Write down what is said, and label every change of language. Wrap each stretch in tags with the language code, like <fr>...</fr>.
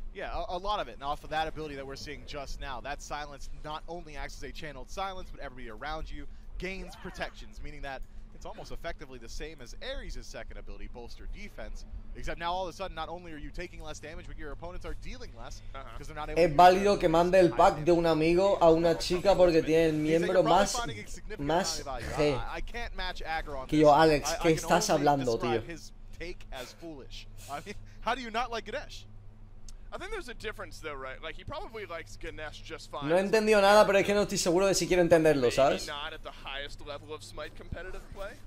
<en>Yeah, a lot of it. And off of that ability that we're seeing just now, that silence not only acts as a channeled silence, but everybody around you gains protections, meaning that it's almost effectively the same as Ares' second ability, Bolster Defense. Except now all of a sudden, not only are you taking less damage, but your opponents are dealing less because they're not able.</en> <es>Es válido que mande el pack de un amigo a una chica porque tiene el miembro más G. Que yo, Alex, ¿qué estás hablando, tío?</es> <en>Take as foolish. I mean, how do you not like Ganesh? I think there's a difference though, right? Like he probably likes Ganesh just fine.</en> <es>No he entendido nada, pero es que no estoy seguro de si quiero entenderlo, ¿sabes?</es> <en>Not at the highest level of Smite competitive play.</en>